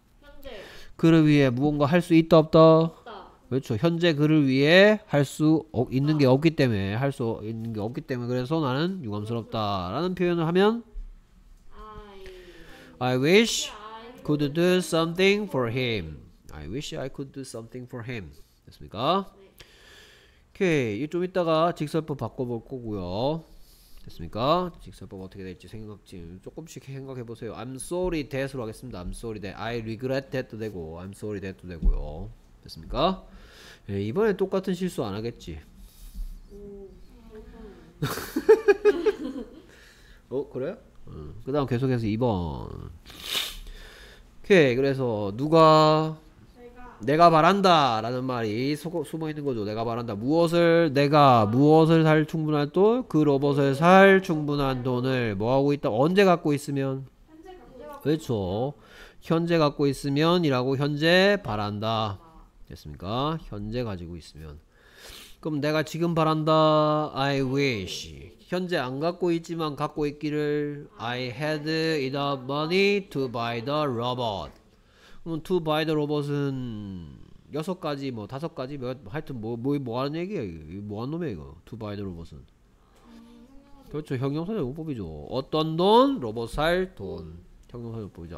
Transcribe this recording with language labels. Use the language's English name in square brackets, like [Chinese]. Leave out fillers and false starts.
[Korean] 현재. 그를 위해 무언가 할 수 있다 없다? 없다. 그렇죠. 현재 그를 위해 할 수 있는 게 없기 때문에 할 수 있는 게 없기 때문에 그래서 나는 유감스럽다 라는 표현을 하면 [English] I wish I could do something for him. I wish I could do something for him. [Korean] 됐습니까? 네. 오케이. 좀 이따가 직설법 바꿔볼 거고요. 됐습니까? 직설법 어떻게 될지 생각 좀 조금씩 생각해 보세요. [English] I'm sorry that로 [Korean] 하겠습니다. [English] I'm sorry that. I regret that도 되고 I'm sorry that도 되고요. 됐습니까? [Korean] 예, 이번에 똑같은 실수 안 하겠지? 어? 그래요? 그 다음 계속해서 2번. 오케이. 그래서 누가 제가 내가 바란다 라는 말이 숨어 있는 거죠. 내가 바란다. 무엇을 내가 무엇을 살 충분한 돈, 그 로봇을 살 충분한 돈을 뭐 하고 있다. 언제 갖고 있으면? 그렇죠. 현재 갖고 있으면이라고 현재 바란다. 됐습니까? 현재 가지고 있으면. 그럼 내가 지금 바란다. [English] I wish. [Korean] 현재 안 갖고 있지만 갖고 있기를. [English] I had enough money to buy the robot. [Korean] 그럼 to buy the robot은 여섯 가지 뭐 다섯 가지 몇 하여튼 뭐 하는 얘기야? 뭐 하는 놈이야 이거? [English] To buy the robot [Korean] 은. 그렇죠. 형용사용법이죠. 어떤 돈? 로봇 살 돈. 형용사용법이죠.